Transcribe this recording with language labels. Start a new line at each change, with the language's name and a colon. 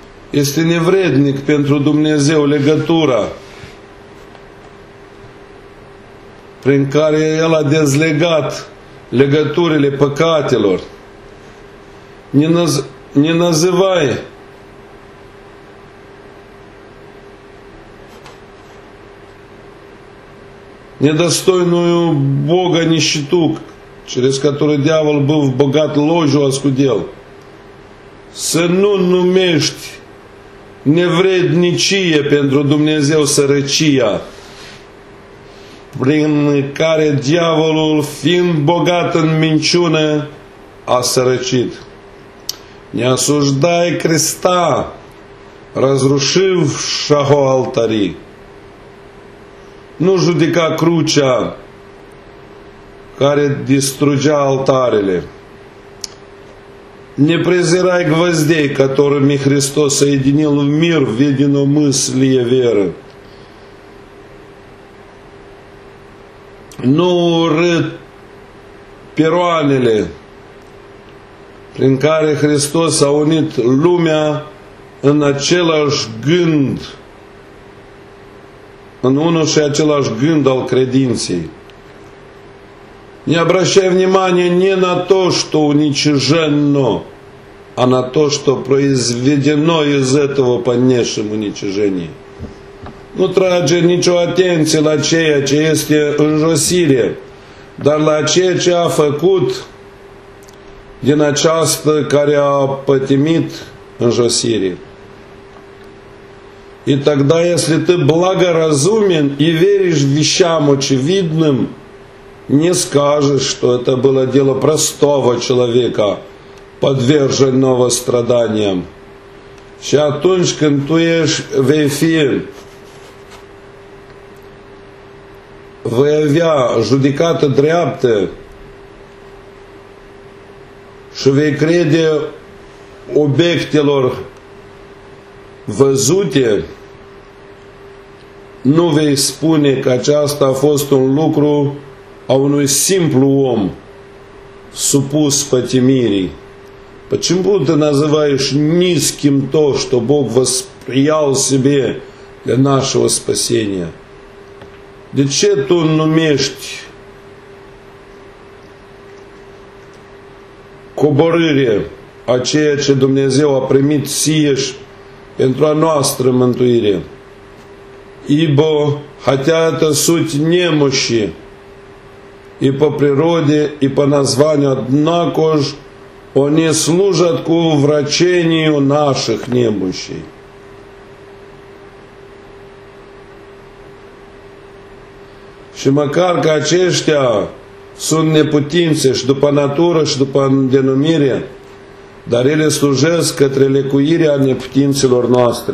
Romanian: Este nevrednic pentru Dumnezeu legătura prin care El a dezlegat legăturile păcatelor.
Russian: Ne nazivai недостойную Бога нищету, через которую дьявол был богат ложью оскудел.
Romanian: Să nu numești nevrednicie pentru Dumnezeu sărăcia, prin care diavolul, fiind bogat în minciună, a sărăcit.
Russian: Не осуждай креста, разрушившего алтари.
Romanian: Nu judeca crucea care distrugea altarele.
Russian: Не презирай гвоздей, которыми Христос соединил в мир в единомыслие веры.
Romanian: Nu urâ piroanele prin care Hristos a unit lumea în același gând, în unul și același gând al credinței.
Russian: Не обращай внимания не на то, что уничижено, а на то, что произведено из этого по внешнему уничижению.
Romanian: Nu trage nicio atenție la ceea ce este în josire, dar la ceea ce a făcut din această care a pătimit în josire.
Russian: И тогда, если ты благоразумен и веришь вещам очевидным, не скажешь, что это было дело простого человека, подверженного страданиям.
Romanian: Și atunci când tu ești, vei fi, vei avea judecată dreaptă și vei crede obiectelor văzute, nu vei spune că aceasta a fost un lucru a unui simplu om supus pătimirii.
Russian: Почему ты называешь низким то, что Бог восприял себе для нашего спасения?
Romanian: De ce tu numești coborâre a ceea ce Dumnezeu a primit sieș pentru a noastră mântuire?
Russian: Ибо хотя это суть немощи и по природе, и по названию, однако ж они служат к уврачению наших немощей.
Romanian: Și măcar că aceștia sunt neputințe și după natură și după denumire, dar ele slujesc către lecuirea neputințelor noastre.